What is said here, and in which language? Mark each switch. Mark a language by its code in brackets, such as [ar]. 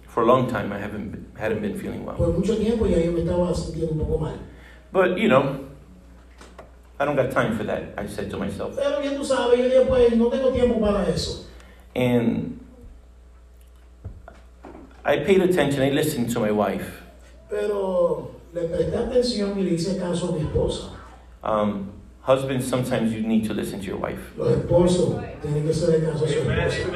[en] For a long time, I hadn't been feeling well. [es] Por mucho tiempo ya yo me estaba sintiendo un poco mal. [en] But you know, I don't got time for that, I said to myself. [es] Pero ya tú sabes, yo dije, pues, no tengo tiempo para eso. [en] And I paid attention, I listened to my wife. [es] Pero le presté atención y le hice caso a mi esposa. [en] Husbands, sometimes you need to listen to your wife. [es] Los esposos tienen que hacerle caso a su esposa.